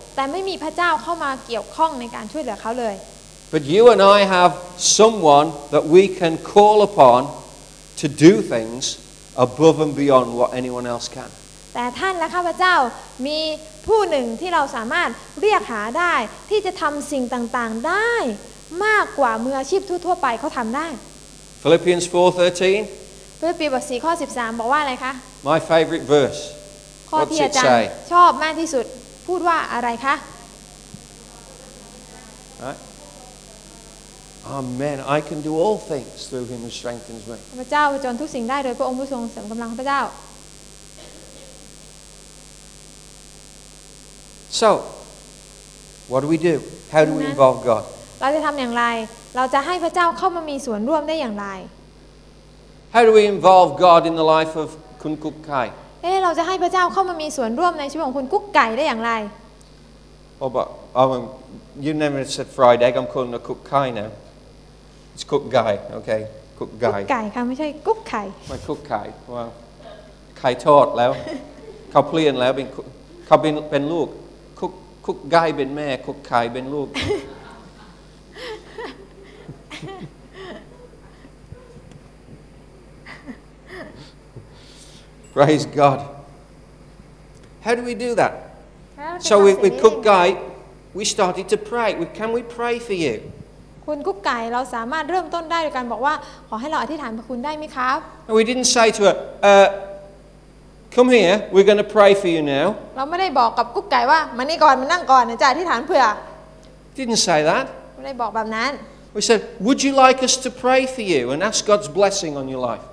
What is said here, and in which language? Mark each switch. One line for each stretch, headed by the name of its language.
Thai: แต่ไม่มีพระเจ้าเข้ามาเกี่ยวข้องในการช่วยเหลือเขาเลย
English: But you and I have someone that we can call upon to do things above and beyond what anyone else can.
Thai: แต่ท่านและข้าพเจ้ามีผู้หนึ่งที่เราสามารถเรียกหาได้ที่จะทำสิ่งต่างๆได้มากกว่ามืออาชีพทั่วๆไปเขาทำได้
English: Philippians 4:13
Thai: ฟิลิปปีบทที่ข้อ13บอกว่าอะไรคะ
English: My favorite verse
Thai: ข้อที่อาจารย์ชอบมากที่สุดพูดว่าอะไรคะ
English: Amen I can do all things through him who strengthens me
Thai: พระเจ้าจนทุกสิ่งได้โดยพระองค์ผู้ทรงเสริมกำลังพระเจ้า
English: So, what do? How do we involve God?
Thai: เราจะทำอย่างไรเราจะให้พระเจ้าเข้ามามีส่วนร่วมได้อย่างไร
English: How do we involve God in the life of Khun Kuk Kai?
Thai: เราจะให้พระเจ้าเข้ามามีส่วนร่วมในชีวิตของคุณกุ๊กไก่ได้อย่างไร
English: Oh, but you never said fried egg. I'm calling a Kuk Kai now. It's Kuk Kai, okay? Kuk Kai.
Thai: กุ๊กไก่ค่ะไม่ใช่กุ๊กไก่
English: My Kuk Kai. Well, Kai taught
Thai: แล้วเขาเปลี่ยนแล้วเขาเป็นลูกคุกกายเป็นแม่คุกไข่เป็นลูก
English: Praise God How do we do that So we cook guy we started to pray can we pray for you
Thai: คุณคุกไก่เราสามารถเริ่มต้นได้โดยการบอกว่าขอให้เราอธิษฐานเพื่อคุณได้มั้ยครับ
English: We didn't say to her Come here. We're going to pray for you now.
Thai: เราไม่ได้บอกกับกุ๊กไก่ว่ามานี่ก่อนมานั่งก่อนนะจ๊ะอธิษฐานเผื่อ
English: Didn't say that.
Thai: ไม่ได้บอกแบบนั้น
English: We said, "Would you like us to pray for you and ask God's blessing on your life?"